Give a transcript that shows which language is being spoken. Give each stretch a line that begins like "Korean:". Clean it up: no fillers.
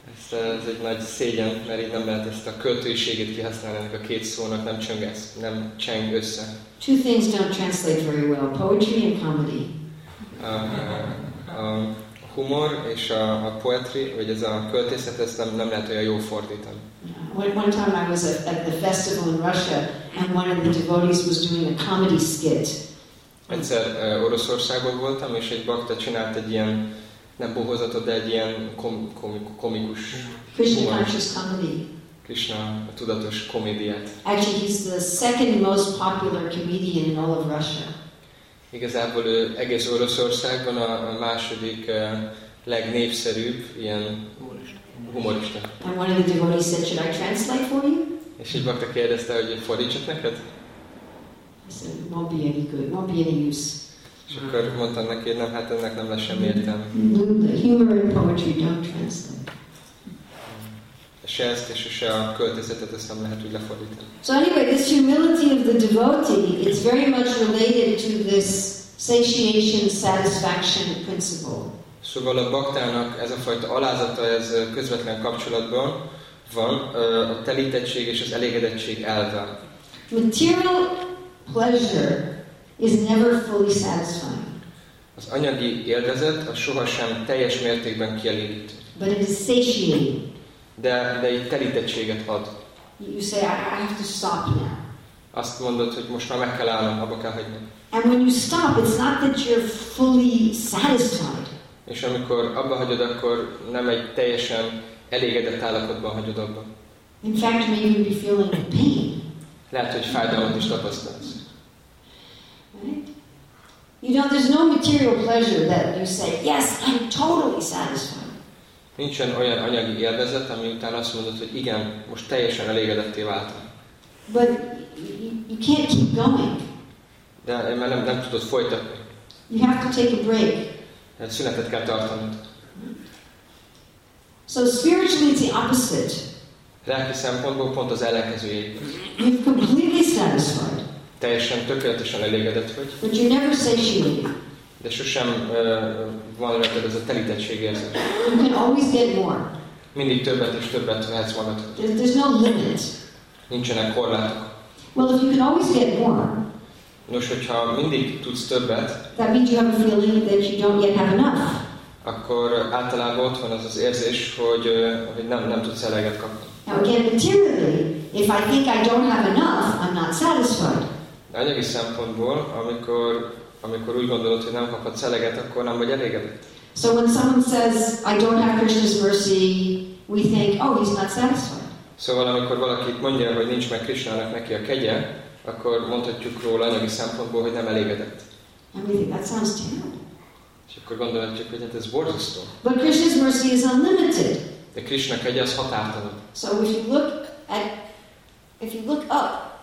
Hungarian: Ez egy nagy szégyen, mert így nem lehet ezt a költőiséget kihasználni ennek a két szónak, nem cseng össze.
English: Two things don't translate very well. Poetry and comedy.
Hungarian: A humor és a poetry, vagy ez a költészet, ezt nem lehet olyan jól fordítani.
English: One time I was at the festival in Russia, and one of the devotees was doing a comedy skit.
Hungarian: Egyszer Oroszországban voltam, és egy bakta csinált egy ilyen, nem bohozatot, de egy ilyen komikus humor.
English: Krishna conscious comedy.
Hungarian: Krishna a tudatos komédiát.
English: Actually, he's the second most popular comedian in all of Russia.
Hungarian: Igazából ő egész Oroszországban a második legnépszerűbb ilyen humorista.
English: And one of the devotees said, should I translate for you?
Hungarian: És egy bakta kérdezte, hogy fordítsak neked?
English: I said, won't be any use.
Hungarian: És akkor mondtam neki, nem, hát ennek nem lesz semmi értelme.
English: The humor and poetry don't translate.
Hungarian: Se ezt, és se a költészetet, ezt nem lehet úgy lefordítani.
English: So anyway, this humility of the devotee, it's very much related to this satiation satisfaction principle.
Hungarian: Szóval a baktának ez a fajta alázata, ez közvetlen kapcsolatban van, a telítettség és az elégedettség elvvel.
English: Material pleasure is never fully satisfying.
Hungarian: Az anyagi élvezet, az sohasem teljes mértékben kielégítő.
English: But it is satiating.
Hungarian: De egy telítettséget ad.
English: You say, I have to stop now.
Hungarian: Azt mondod, hogy most már meg kell állnom, abba kell hagynom.
English: And when you stop, it's not that you're fully satisfied.
Hungarian: És amikor abba hagyod, akkor nem egy teljesen elégedett állapotban hagyod abba.
English: In fact, maybe you'll be feeling pain.
Hungarian: Lehet, hogy fájdalmat is tapasztalsz.
English: You know, there's no material pleasure that you say, yes, I'm totally satisfied.
Hungarian: Nincsen olyan anyagi élvezet, ami után azt mondod, hogy igen, most teljesen elégedetté váltam.
English: But you can't keep going.
Hungarian: De mert nem tudod folytatni.
English: You have to take a break.
Hungarian: Tehát szünetet kell tartanod.
English: So spiritually it's the opposite.
Hungarian: Lelki szempontból pont az ellenkezője.
English: You're completely satisfied.
Hungarian: Teljesen tökéletesen elégedett vagy.
English: But you never satiate.
Hungarian: De sosem van rajtad ez a telítettség érzés.
English: You can always get more.
Hungarian: Mindig többet és többet vehetsz magad.
English: There's no limit.
Hungarian: Nincsenek korlátok.
English: Well, if you can always get more.
Hungarian: Nos, hogyha mindig tudsz többet.
English: That means you have a feeling that you don't yet have enough.
Hungarian: Akkor általában ott van az érzés, hogy nem tudsz eleget kapni.
English: Now again, materially, if I think I don't have enough, I'm not satisfied.
Hungarian: De anyagi szempontból, amikor úgy gondolod, hogy nem kaphatsz eleget, akkor nem vagy elégedett.
English: So when someone says, I don't have Krishna's mercy, we think, oh, he's not satisfied.
Hungarian: Szóval amikor valaki mondja, hogy nincs meg Krishnának neki a kegye, akkor mondhatjuk róla anyagi szempontból, hogy nem elégedett.
English: And we think that sounds terrible.
Hungarian: És akkor gondolhatjuk, hogy ez borzasztó.
English: But Krishna's mercy is unlimited.
Hungarian: De Krishna kegye az határtalan.
English: So if you look up,